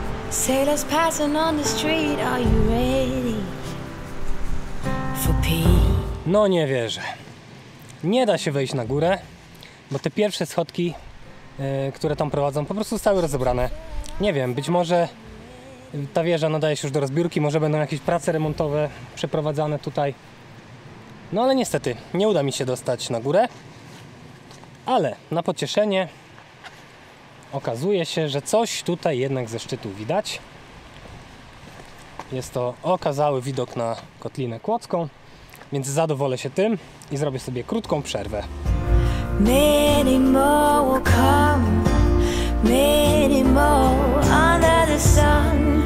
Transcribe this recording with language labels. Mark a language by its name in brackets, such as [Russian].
[English] Sailors passing on the street, are you ready for peace? [Polish] No nie wierzę. Nie da się wejść na górę, bo te pierwsze schodki, które tam prowadzą, po prostu zostały rozebrane. Nie wiem, być może ta wieża nadaje się już do rozbiórki, może będą jakieś prace remontowe przeprowadzane tutaj. No ale niestety, nie uda mi się dostać na górę. Ale na pocieszenie okazuje się, że coś tutaj jednak ze szczytu widać. Jest to okazały widok na Kotlinę Kłodzką, więc zadowolę się tym i zrobię sobie krótką przerwę. [English] Many more will come, many more under the sun.